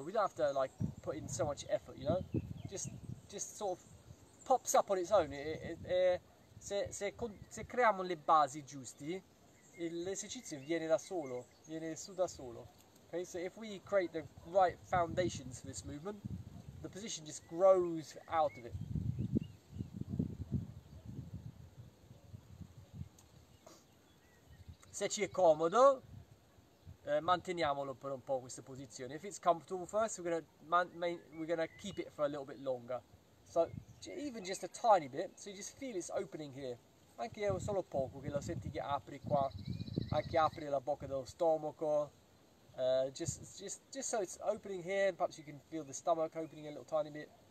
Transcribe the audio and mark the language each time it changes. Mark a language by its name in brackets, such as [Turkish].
[English] We don't have to like put in so much effort, you know? Just sort of pops up on its own. [Italian] Se creiamo le basi giusti, l'esercizio viene da solo, viene su da solo. [English] Okay, so if we create the right foundations for this movement, the position just grows out of it. [Italian] Se ci è comodo, manteniamolo per un po' questa posizione. [English] If it's comfortable for us, we're gonna keep it for a little bit longer. So, even just a tiny bit, so you just feel it's opening here. [Italian] Anche solo poco, che lo senti che apri qua, anche apri la bocca dello stomaco. [English] Just so it's opening here, perhaps you can feel the stomach opening a little tiny bit.